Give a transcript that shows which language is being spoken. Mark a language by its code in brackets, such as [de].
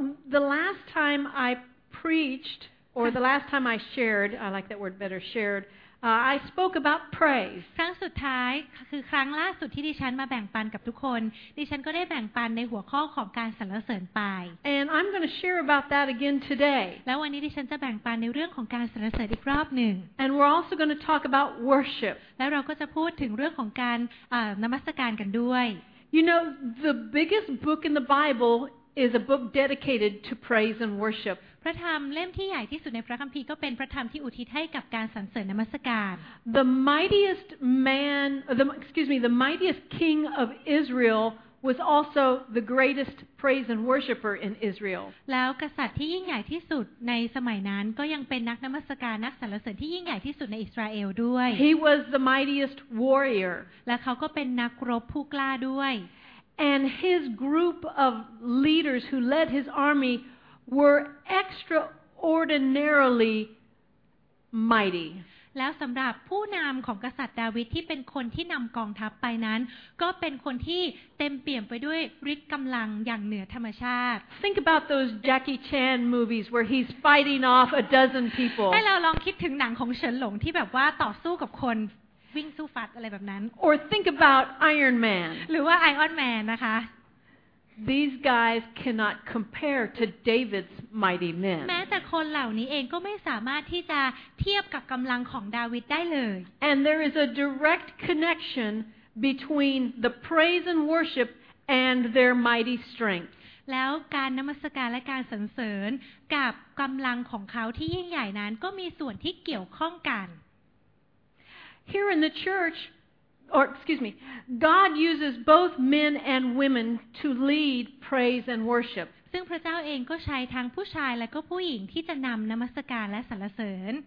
[en] the last time I preached, or the last time I shared, I like that word better, sharedI spoke about praise. [th] ครั้งสุดท้ายคือครั้งล่าสุดที่ดิฉันมาแบ่งปันกับทุกคนดิฉันก็ได้แบ่งปันในหัวข้อของการสรรเสริญไป [en] And I'm going to share about that again today. [th] แล้ววันนี้ดิฉันจะแบ่งปันในเรื่องของการสรรเสริญอีกรอบหนึ่ง [en] And we're also going to talk about worship. [th] แล้วเราก็จะพูดถึงเรื่องของการนมัสการกันด้วย [en] You know the biggest book in the Bible is a book dedicated to praise and worship. [th] พระธรรมเล่มที่ใหญ่ที่สุดในพระคัมภีร์ก็เป็นพระธรรมที่อุทิศให้กับการสรรเสริญนมัสการ [en] The mightiest man the mightiest king of Israel was also the greatest praise and worshipper in Israel [th] แล้วกษัตริย์ที่ยิ่งใหญ่ที่สุดในสมัยนั้นก็ยังเป็นนักนมัสการนักสรรเสริญที่ยิ่งใหญ่ที่สุดในอิสราเอลด้วย [en] He was the mightiest warrior [th] และเขาก็เป็นนักรบผู้กล้าด้วย [en] And his group of leaders who led his armyWere extraordinarily mighty. [th] แล้วสำหรับผู้นำของกษัตริย์ดาวิดที่เป็นคนที่นำกองทัพไปนั้นก็เป็นคนที่เต็มเปี่ยมไปด้วยฤทธิ์กำลังอย่างเหนือธรรมชาติ [en] Think about those Jackie Chan movies where he's fighting off a dozen people. [th] ให้เราลองคิดถึงหนังของเฉินหลงที่แบบว่าต่อสู้กับคนวิ่งสู้ฟัดอะไรแบบนั้น [en] Or think about Iron Man. [th] หรือว่าไอออนแมนนะคะ [en] These guys cannot compare to David's mighty men. [th] แม้แต่คนเหล่านี้เองก็ไม่สามารถที่จะเทียบกับกำลังของดาวิดได้เลย [en] And there is a direct connection between the praise and worship and their mighty strength. [th] แล้วการนมัสการและการสรรเสริญกับกำลังของเขาที่ยิ่งใหญ่นั้นก็มีส่วนที่เกี่ยวข้องกัน [en] Here in the churchGod uses both men and women to lead praise and worship. [th] ซึ่งพระเจ้าเองก็ใช้ทั้งผู้ชายและก็ผู้หญิงที่จะนำนมัสการและสรรเสริญ